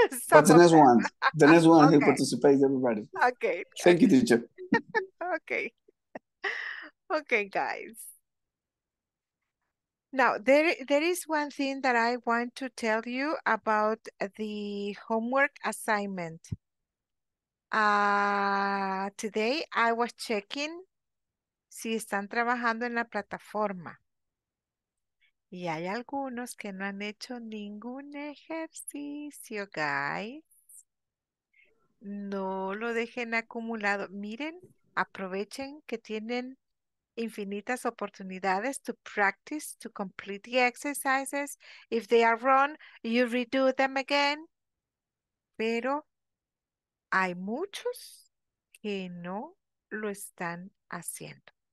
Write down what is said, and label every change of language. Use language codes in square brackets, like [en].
[en] But the next one, okay. He participates, everybody. Okay. Thank you, teacher. Okay. Okay, guys. Now, there is one thing that I want to tell you about the homework assignment. Today, I was checking [es] si están trabajando en la plataforma. Y hay algunos que no han hecho ningún ejercicio, guys. No lo dejen acumulado. Miren, aprovechen que tienen infinitas oportunidades [en] to practice, to complete the exercises. If they are wrong, you redo them again. [es] Pero hay muchos que no lo están haciendo.